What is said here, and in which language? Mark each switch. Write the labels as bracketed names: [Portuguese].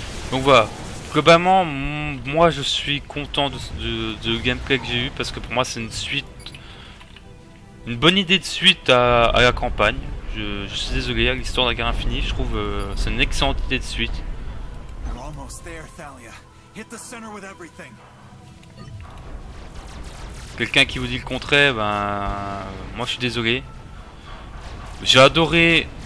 [French] Donc voilà. Globalement, moi je suis content de gameplay que j'ai eu parce que pour moi c'est une suite. Une bonne idée de suite à la campagne. Je suis désolé, à l'histoire de la guerre infinie, je trouve c'est une excellente idée de suite. [English] We're almost there, Thalia. Hit the center with everything. [French] Quelqu'un qui vous dit le contraire, ben moi je suis désolé. J'ai adoré.